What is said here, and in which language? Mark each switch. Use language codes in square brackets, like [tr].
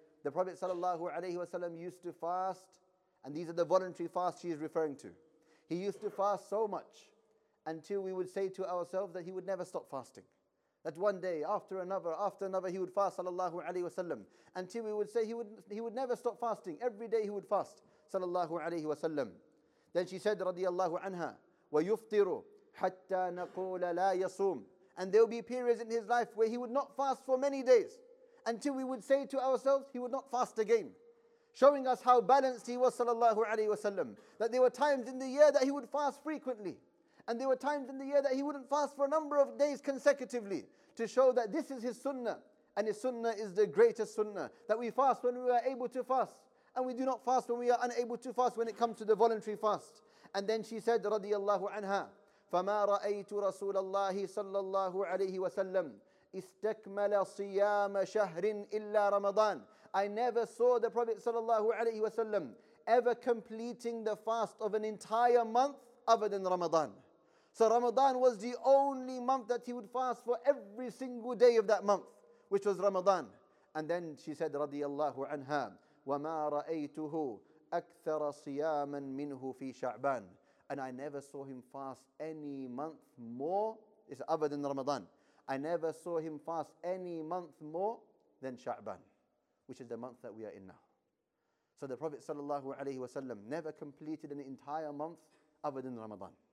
[en] The Prophet صلى الله عليه وسلم used to fast, and these are the voluntary fasts she is referring to. He used to fast so much until we would say to ourselves that he would never stop fasting. That one day after another, he would fast صلى الله عليه وسلم, until we would say he would never stop fasting. Every day he would fast صلى الله عليه وسلم. Then she said, [ar] رضي الله عنها ويفطر حتى نقول لا يصوم. [en] And there will be periods in his life where he would not fast for many days, until we would say to ourselves he would not fast again, showing us how balanced he was sallallahu alaihi wasallam. That there were times in the year that he would fast frequently, and there were times in the year that he wouldn't fast for a number of days consecutively, to show that this is his sunnah And his sunnah is the greatest sunnah, that we fast when we are able to fast, and we do not fast when we are unable to fast when it comes to the voluntary fast. And then she said, radiallahu anha, [ar] فَمَا رَأَيْتُ رَسُولَ اللَّهِ صَلَّى اللَّهُ عَلَيْهِ وَسَلَّمُ اسْتَكْمَلَ صِيَامَ شَهْرٍ إِلَّا رَمَضَانَ. [en] I never saw the Prophet sallallahu alayhi wa sallam ever completing the fast of an entire month other than Ramadan. So Ramadan was the only month that he would fast for every single day of that month, which was Ramadan. And then she said, radiallahu anha, [ar] وَمَا رَأَيْتُهُ أَكْثَرَ صِيَامًا مِنْهُ فِي شَعْبَانَ. [en] And I never saw him fast any month more, it's other than Ramadan. I never saw him fast any month more than Sha'ban, which is the month that we are in now. So the Prophet sallallahu alaihi wasallam never completed an entire month other than Ramadan.